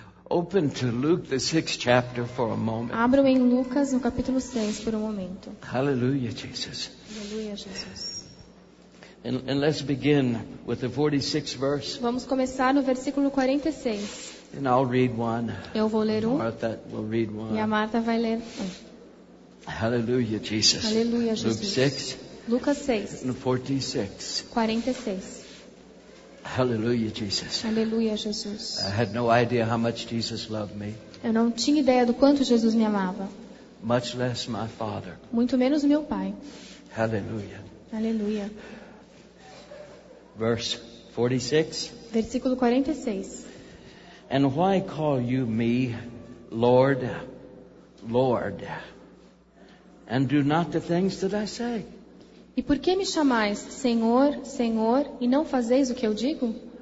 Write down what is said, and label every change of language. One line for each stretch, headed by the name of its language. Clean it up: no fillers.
English: Open to Luke the 6th chapter for a moment.
Portuguese: Abram em Lucas no capítulo 6 por um momento.
English: Hallelujah, Jesus.
Portuguese: Hallelujah, Jesus.
English: And let's begin with the 46th verse.
Portuguese: Vamos começar no versículo 46.
English: And I'll read one.
Portuguese: Eu vou ler um.
English: Martha will read one.
Portuguese: E a Marta vai ler um.
English: Hallelujah, Jesus.
Portuguese: Hallelujah, Jesus.
English: Luke 6.
Portuguese: Lucas 6.
English: And 46.
Portuguese: 46.
English: Hallelujah, Jesus.
Portuguese: Hallelujah, Jesus.
English: I had no idea how much Jesus loved me.
Portuguese: Eu não tinha ideia do quanto Jesus me amava.
English: Much less my father.
Portuguese: Muito menos meu pai.
English: Hallelujah.
Portuguese: Hallelujah.
English: Verse 46.
Portuguese: Versículo 46.
English: And why call you me Lord, Lord, and do not the things that I say?
Portuguese: E por que me chamais Senhor, Senhor, e não fazeis o que eu digo?